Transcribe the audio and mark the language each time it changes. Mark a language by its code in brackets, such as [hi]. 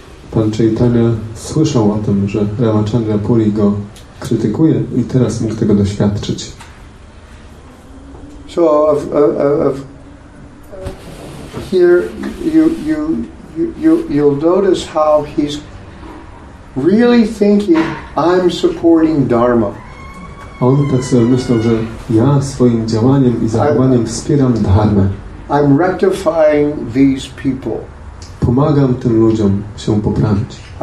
[pl] Pan Chaitanya słyszał o tym, że Ramachandra Puri go krytykuje i teraz mógł tego doświadczyć. [en] So here you'll notice how he's really thinking, I'm supporting Dharma. [pl] On tak sobie myślał, że ja swoim działaniem i zachowaniem wspieram Dharmę. [en] I'm rectifying these people. [pl] Pomagam tym ludziom się poprawić.